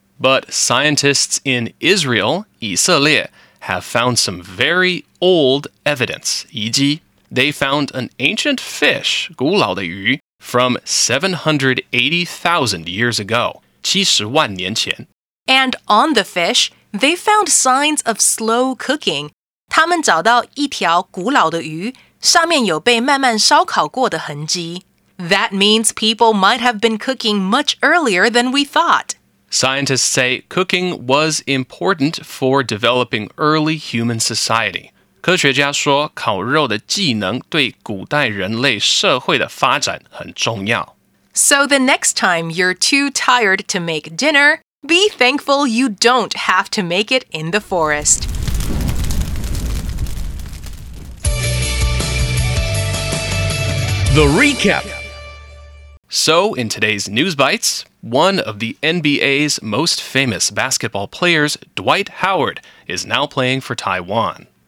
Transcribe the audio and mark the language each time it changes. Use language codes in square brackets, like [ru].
[en] But scientists in Israel, 以色列, have found some very old evidence, 遗迹. They found an ancient fish, [zh] 古老的鱼, [en] from 780,000 years ago, [zh] 70万年前. [en] And on the fish, they found signs of slow cooking. [zh] 他们找到一条古老的鱼,上面有被慢慢烧烤过的痕迹. [en] That means people might have been cooking much earlier than we thought. Scientists say cooking was important for developing early human society. [zh] 科学家说烤肉的技能对古代人类社会的发展很重要。 [en] So the next time you're too tired to make dinner, be thankful you don't have to make it in the forest. The Recap. So in today's News Bites... One of the NBA's most famous basketball players, Dwight Howard, is now playing for Taiwan.